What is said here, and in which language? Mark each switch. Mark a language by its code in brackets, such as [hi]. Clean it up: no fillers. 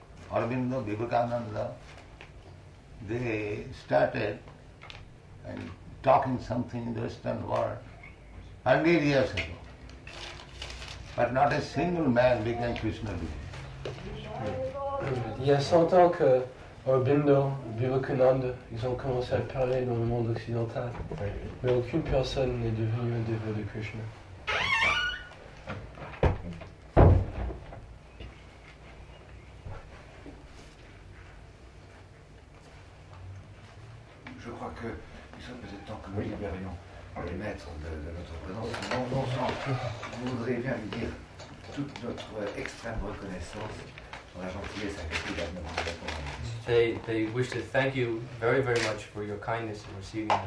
[en] Aurobindo, Vivekananda, they started and talking something in the Western world 100 years ago. But not a single man became Krishna devotee. [fr] Il y a 100 ans que Aurobindo, Vivekananda, ils ont commencé à parler dans le monde occidental, mais aucune personne n'est devenue un dévot de Krishna. Je crois que il serait peut-être temps que nous libérions les maîtres de notre présence. Bon sang, vous voudriez bien lui dire toute notre extrême reconnaissance pour la gentillesse avec laquelle nous avons répondu. [en] They wish to thank you very, very much for your kindness in receiving them.